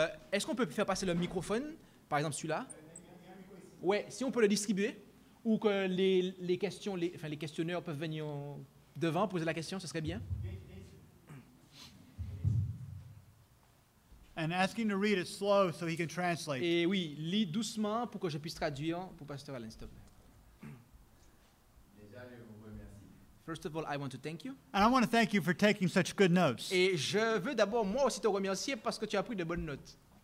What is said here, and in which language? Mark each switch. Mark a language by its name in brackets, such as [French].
[French] Est-ce qu'on peut faire passer le microphone, par exemple celui-là? Ouais, si on peut le distribuer, ou que les questionneurs peuvent venir devant poser la question, ce serait bien. [English] And asking to read it slow so he can translate. [French] Et oui, lis doucement pour que je puisse traduire pour Pasteur Alain, s'il te plaît. [English] First of all, I want to thank you. And I want to thank you for taking such good notes. [French] Et je veux d'abord moi aussi te remercier parce que tu as pris de bonnes notes.